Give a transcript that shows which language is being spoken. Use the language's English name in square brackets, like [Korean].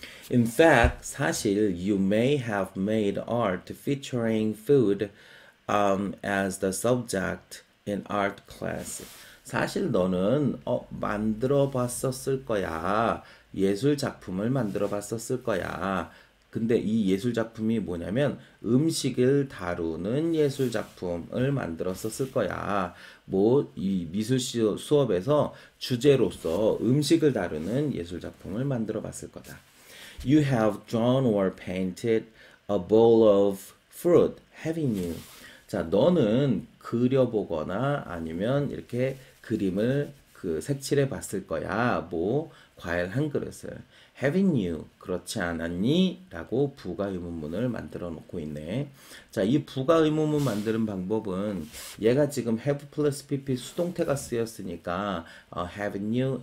[English] In fact, [Korean] 사실 [English] you may have made art featuring food as the subject in art class. [Korean] 사실 너는 만들어 봤었을 거야. 예술 작품을 만들어 봤었을 거야. 근데 이 예술 작품이 뭐냐면 음식을 다루는 예술 작품을 만들었었을 거야. 뭐이 미술 수업에서 주제로서 음식을 다루는 예술 작품을 만들어 봤을 거다. [English] You have drawn or painted a bowl of fruit, haven't you? [Korean] 자, 너는 그려보거나 아니면 이렇게 그림을 그 색칠해 봤을 거야. 뭐, 과일 한 그릇을. [English] Haven't you? [Korean] 그렇지 않았니? 라고 부가 의문문을 만들어 놓고 있네. 자, 이 부가 의문문 만드는 방법은 얘가 지금 have plus pp 수동태가 쓰였으니까 [English] haven't you?